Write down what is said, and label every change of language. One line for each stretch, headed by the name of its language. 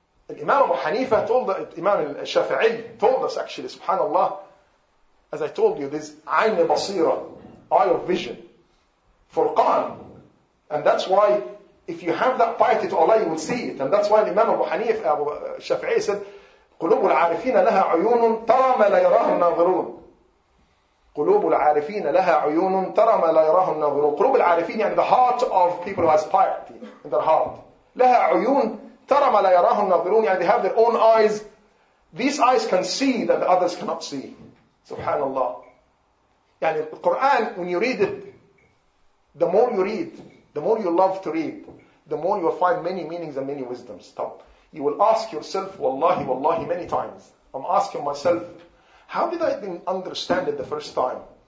English: Imam Abu Hanifa told us, Imam Shafi'i told us actually, subhanAllah, as I told you, this Ayn Basira, eye of vision, Furqan. And that's why if you have that piety to Allah, you will see it. And that's why Imam Abu Hanifa, Abu Shafi'i said,
Arabic: قلوب العارفين لها عيون ترى ما لا يراه الناظرون. قلوب العارفين لها عيون ترى ما لا يراه الناظرون. قلوب العارفين
English: يعني the heart of people who has piety in their heart.
Arabic: لها عيون ترى ما لا يراه الناظرون.
English: يعني they have their own eyes. These eyes can see that the others cannot see. Subhanallah. يعني القرآن when you read it, the more you read, the more you love to read, the more you will find many meanings and many wisdoms. Stop. You will ask yourself, wallahi, wallahi, many times. I'm asking myself, how did I even understand it the first time?